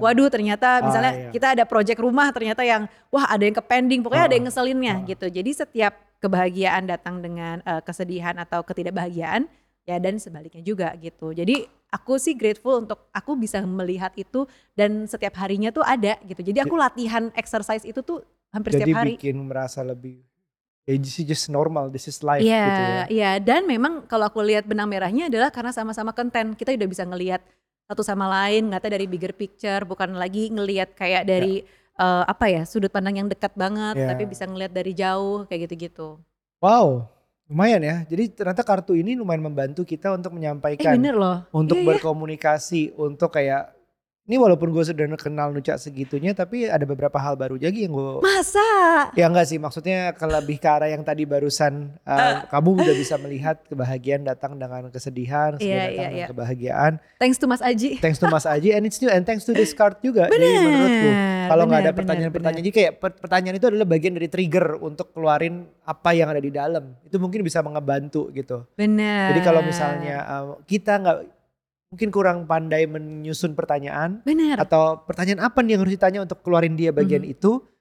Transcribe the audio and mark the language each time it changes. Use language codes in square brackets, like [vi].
[id] Waduh, ternyata misalnya kita ada proyek rumah ternyata yang wah ada yang kepending, pokoknya ada yang ngeselinnya gitu. Jadi setiap kebahagiaan datang dengan kesedihan atau ketidakbahagiaan ya, dan sebaliknya juga gitu. Jadi aku sih grateful untuk aku bisa melihat itu dan setiap harinya tuh ada gitu. Jadi aku latihan exercise itu tuh hampir jadi setiap hari. Jadi bikin merasa lebih, this is just normal, this is life. Yeah, gitu ya. Yeah. Dan memang kalau aku lihat benang merahnya adalah karena sama-sama content, kita udah bisa ngelihat satu sama lain, nggak tahu dari bigger picture, bukan lagi ngelihat kayak dari apa ya, sudut pandang yang dekat banget, tapi bisa ngelihat dari jauh kayak gitu-gitu. Wow, lumayan ya. Jadi ternyata kartu ini lumayan membantu kita untuk menyampaikan, bener loh. Untuk berkomunikasi, untuk kayak Ini walaupun gue sederhana kenal Nucha segitunya, tapi ada beberapa hal baru lagi yang gue... Masa? Ya enggak sih, maksudnya lebih ke arah yang tadi barusan kamu udah bisa melihat kebahagiaan datang dengan kesedihan, kesedihan datang dengan kebahagiaan. [en] Thanks to Mas Aji. Thanks to Mas Aji, and it's new, and thanks to this card juga. [id] Bener. Jadi menurutku, kalau gak ada pertanyaan-pertanyaan, jadi kayak pertanyaan itu adalah bagian dari trigger untuk keluarin apa yang ada di dalam. Itu mungkin bisa mengebantu gitu. Bener. Jadi kalau misalnya kita gak... mungkin kurang pandai menyusun pertanyaan. Bener. Atau pertanyaan apa nih yang harus ditanya untuk keluarin dia bagian itu.